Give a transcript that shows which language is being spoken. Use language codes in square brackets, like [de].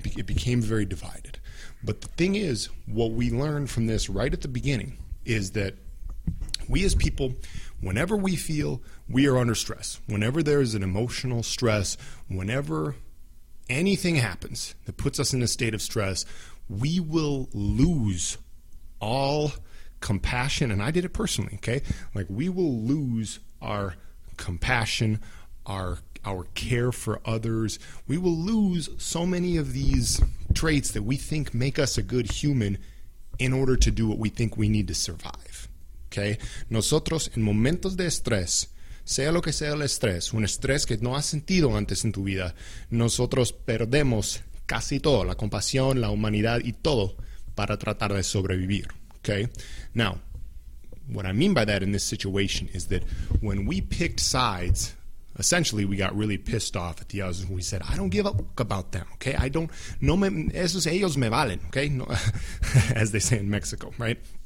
[en] It became very divided. But the thing is, what we learned from this right at the beginning is that we as people, whenever we feel we are under stress, whenever there is an emotional stress, whenever anything happens that puts us in a state of stress, we will lose all compassion, and I did it personally, okay? Like, we will lose our compassion, our care for others. We will lose so many of these traits that we think make us a good human in order to do what we think we need to survive, okay? [es] Nosotros, en momentos de estrés, sea lo que sea el estrés, un estrés que no has sentido antes en tu vida, nosotros perdemos casi todo, la compasión, la humanidad y todo para tratar de sobrevivir. [en] Okay, now, what I mean by that in this situation is that when we picked sides, essentially we got really pissed off at the others and we said, I don't give a fuck about them, okay? I don't, [es] no me, esos ellos me valen, [en] okay? No, as they say in Mexico, right?